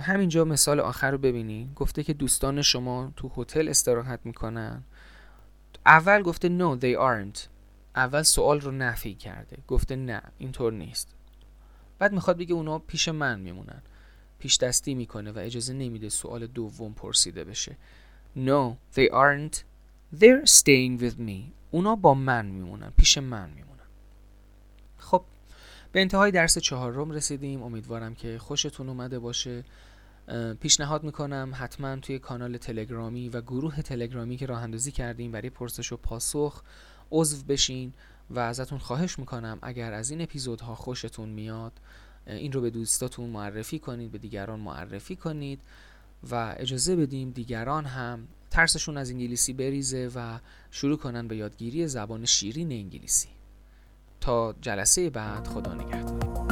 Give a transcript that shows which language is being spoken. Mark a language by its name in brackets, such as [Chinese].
[Persian] همینجا مثال آخر رو ببینیم. گفته که دوستان شما تو هتل استراحت میکنن. اول گفته [English] no they aren't، [Persian] اول سوال رو نفی کرده، گفته نه اینطور نیست. بعد میخواد بگه اونا پیش من میمونن، پیش دستی میکنه و اجازه نمیده سوال دوم پرسیده بشه. [English] No they aren't، they're staying with me. [Persian] اونا با من میمونن، پیش من میمونن. خب به انتهای درس چهارم رسیدیم. امیدوارم که خوشتون اومده باشه. پیشنهاد میکنم حتما توی کانال تلگرامی و گروه تلگرامی که راه اندازی کردیم برای پرسش و پاسخ عضو بشین و ازتون خواهش میکنم اگر از این اپیزودها خوشتون میاد این رو به دوستاتون معرفی کنید، به دیگران معرفی کنید و اجازه بدیم دیگران هم ترسشون از انگلیسی بریزه و شروع کنن به یادگیری زبان شیرین انگلیسی. تا جلسه بعد، خدا نگهدار.